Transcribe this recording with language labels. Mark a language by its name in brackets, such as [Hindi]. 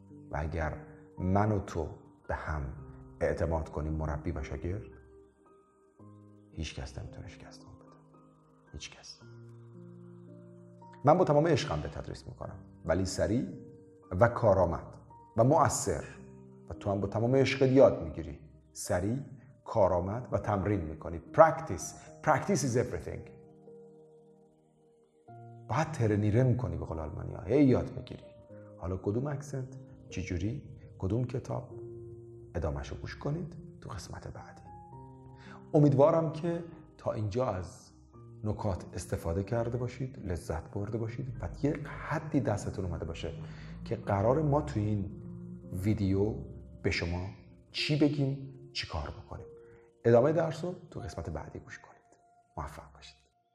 [Persian] و اگر من و تو به هم اعتماد کنیم، مربی و شاگرد، هیچ کس نمیتونه شکست بده، هیچ کس. من با تمام عشقم به تدریس میکنم، ولی سریع و کارآمد و مؤثر. و تو هم با تمام عشقت یاد میگیری، سریع، کارآمد و تمرین میکنی. [English] Practice is everything. [Persian] باید ترنیرم کنی به قول آلمانی ها، هی یاد بگیری. حالا کدوم اکسنت، چجوری، کدوم کتاب، ادامهشو گوش کنید تو قسمت بعدی. امیدوارم که تا اینجا از نکات استفاده کرده باشید، لذت برده باشید و یه حدی دستتون اومده باشه که قرار ما تو این ویدیو به شما چی بگیم، چی کار بکنیم. ادامه درس رو تو قسمت بعدی گوش کنید. موفق باشید.